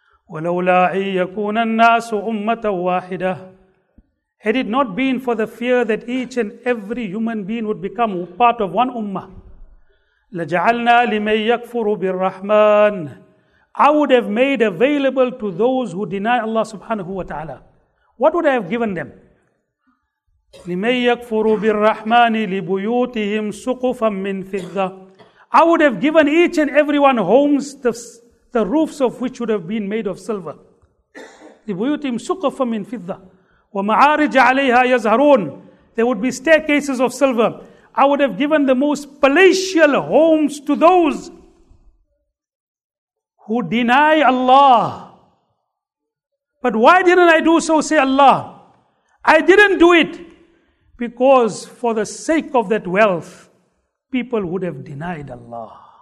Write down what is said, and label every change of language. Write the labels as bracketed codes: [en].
[ar] وَلَوْلَا أَن يَكُونَ النَّاسُ أُمَّةً وَاحِدَةً [en] Had it not been for the fear that each and every human being would become part of one ummah, [ar] لَجَعَلْنَا لِمَن يَكْفُرُ بِالرَّحْمَانِ [en] I would have made available to those who deny Allah subhanahu wa ta'ala. What would I have given them? [ar] لِمَن يَكْفُرُ بِالرَّحْمَانِ لِبُيُوتِهِمْ سُقُفًا مِّن فِضَّةٍ [en] I would have given each and everyone homes, the roofs of which would have been made of silver. [ar] لِبُيُوتِهِمْ سُقُفًا مِّن فِضَّةٍ وَمَعَارِجَ عَلَيْهَا يَزْهَرُونَ [en] There would be staircases of silver. I would have given the most palatial homes to those who deny Allah. But why didn't I do so, say Allah? I didn't do it because for the sake of that wealth, people would have denied Allah.